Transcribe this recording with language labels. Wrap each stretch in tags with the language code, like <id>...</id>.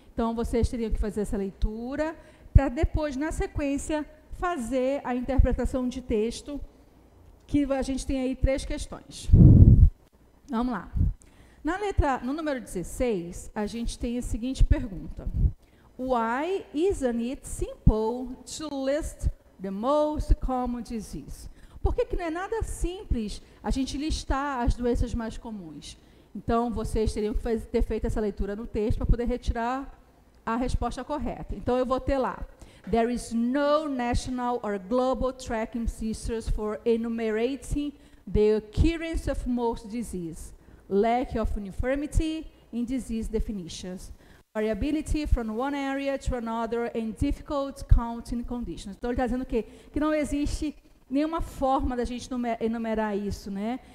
<pt>Então, vocês teriam que fazer essa leitura para depois, na sequência, fazer a interpretação de texto, que a gente tem aí três questões. Vamos lá. Na letra, no número 16, a gente tem a seguinte pergunta.</pt> <en>Why isn't it simple to list the most common disease?</en> <pt>Por que não é nada simples a gente listar as doenças mais comuns? Então, vocês teriam que ter feito essa leitura no texto para poder retirar a resposta correta. Então, eu vou ter lá.</pt> <en>There is no national or global tracking systems for enumerating the occurrence of most disease. Lack of uniformity in disease definitions. Variability from one area to another and difficult counting conditions.</en> <pt>Então, ele está dizendo o quê? Que não existe nenhuma forma da gente enumerar isso, né?</pt>